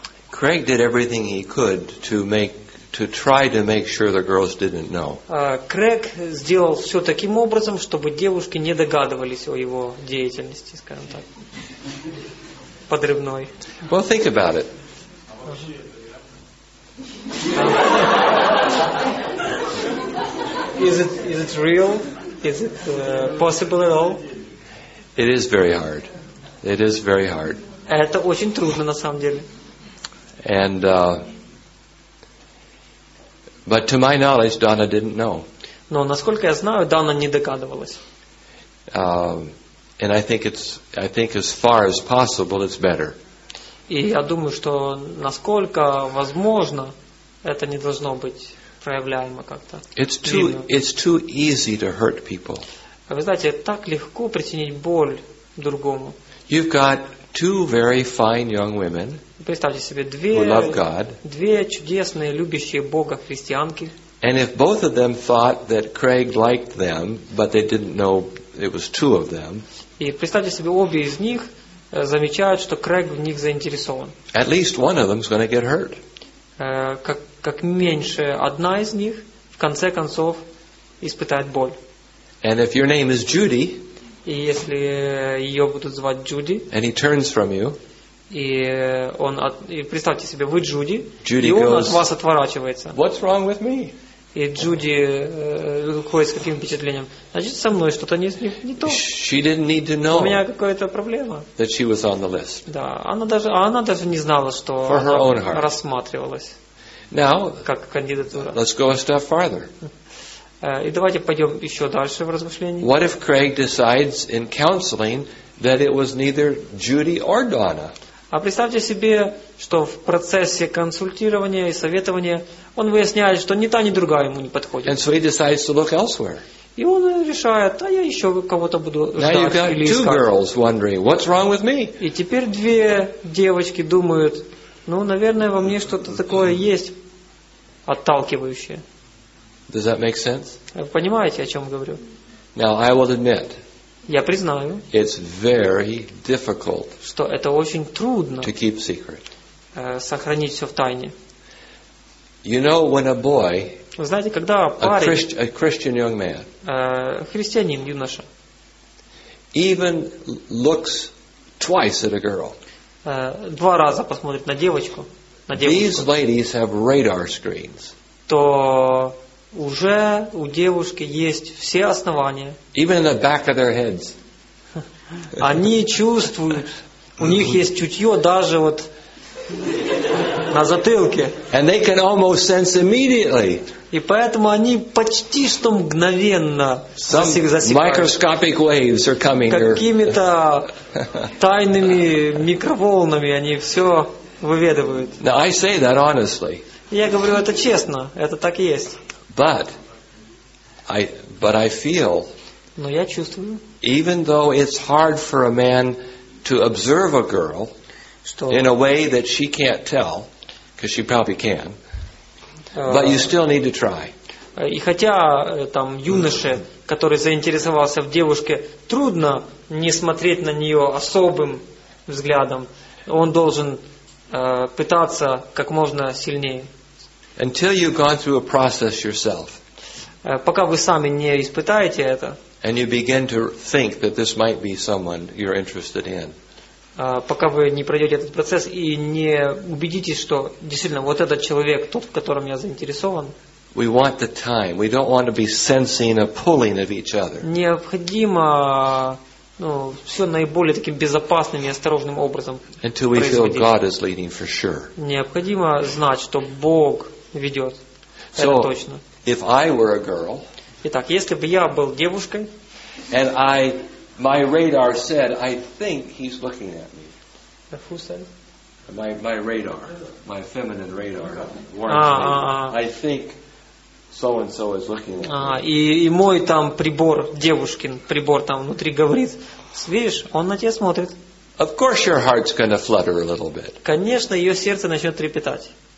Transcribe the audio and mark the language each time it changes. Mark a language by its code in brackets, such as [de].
[en] Craig did everything he could to try to make sure the girls didn't know. [ru] Craig сделал все таким образом, чтобы девушки не догадывались о его деятельности, скажем так, подрывной. [en] Well, think about it. Is it real? Is it possible at all? It is very hard. It is very hard. [ru] Это очень трудно на самом деле. [en] And but to my knowledge, Donna didn't know. [ru] Но насколько я знаю, Дана не догадывалась. [en] And I think as far as possible, it's better. [ru] И я думаю, что насколько возможно, это не должно быть проявляемо как-то. [en] It's too easy to hurt people. [ru] Вы знаете, так легко причинить боль другому. [en] You've got two very fine young women. [ru] Представьте себе две, [en] who love God, [ru] две чудесные любящие Бога христианки. [en] And if both of them thought that Craig liked them, but they didn't know it was two of them. [ru] И представьте себе, обе из них замечают, что Крейг в них заинтересован. [en] At least one of them is going to get hurt. [ru] Как меньше одна из них в конце концов испытает боль. [en] And if your name is Judy, [ru] И если ее будут звать Джуди, [en] and he turns from you, [ru] и он от, и представьте себе, вы Джуди, [en] Judy, [ru] и он [en] goes, [ru] от вас отворачивается. [en] What's wrong with me? [ru] И Джуди ходит с каким впечатлением? Значит, со мной что-то не то. [en] She didn't need to know, [ru] у меня какая-то проблема. [en] That she was on the list. [ru] Да, она даже не знала, что [en] for her own heart [ru] рассматривалась. [en] Now, [ru] как кандидатура. [en] Let's go a step farther. [ru] И давайте пойдем еще дальше в размышлении. [en] What if Craig decides in counseling that it was neither Judy or Donna? [ru] А представьте себе, что в процессе консультирования и советования он выясняет, что ни та, ни другая ему не подходит. [en] And so he decides to look elsewhere. [ru] И он решает, а я еще кого-то буду ждать. [en] Now you've got [ru] или [en] two girls wondering, what's wrong with me? [ru] И теперь две девочки думают, ну, наверное, во мне что-то такое есть отталкивающее. [en] Does that make sense? [ru] Вы понимаете, о чем говорю? [en] Now, I will admit, [ru] я признаю, [en] it's very difficult, [ru] что это очень трудно, [en] to keep secret, [ru] сохранить все в тайне. [en] You know, when a boy, [ru] вы знаете, когда парень, [en] a Christian young man, [ru] христианин, юноша, [en] even looks twice at a girl, [ru] два раза посмотрит на девочку, [en] these ladies have radar screens, [ru] то уже у девушки есть все основания. [en] Even in the back of their heads. [ru] Они чувствуют, у них есть чутье даже вот на затылке. [en] And they can almost sense immediately. [ru] И поэтому они почти что мгновенно засекают. [en] Microscopic waves are coming. [ru] Какими-то тайными микроволнами они все выведывают. [en] Now I say that honestly. [ru] Я говорю это честно, это так и есть. [en] But I feel, [ru] но я чувствую, [en] even though it's hard for a man to observe a girl in a way that she can't tell, because she probably can, but you still need to try. [ru] И хотя там юноше, который заинтересовался в девушке, трудно не смотреть на нее особым взглядом, он должен пытаться как можно сильнее. [en] Until you've gone through a process yourself, [ru] пока вы сами не испытаете это, [en] and you begin to think that this might be someone you're interested in, [ru] пока вы не пройдете этот процесс и не убедитесь, что действительно вот этот человек тот, в котором я заинтересован, [en] we want the time. We don't want to be sensing a pulling of each other. [ru] Необходимо, ну, все наиболее таким безопасным и осторожным образом. [en] Until we feel God is leading for sure. [ru] Необходимо знать, что Бог ведет. [en] So, [ru] это точно. [en] If I were a girl, [ru] итак, если бы я был девушкой, [en] and I, my radar said, I think he's looking at me. Who said? My radar, my feminine radar. I think so and so is looking at me. [ru] И мой там прибор, девушкин прибор там внутри говорит, видишь, он на тебя смотрит. [en] Of course your heart's gonna flutter a little bit. [ru] Конечно, ее сердце начнет трепетать.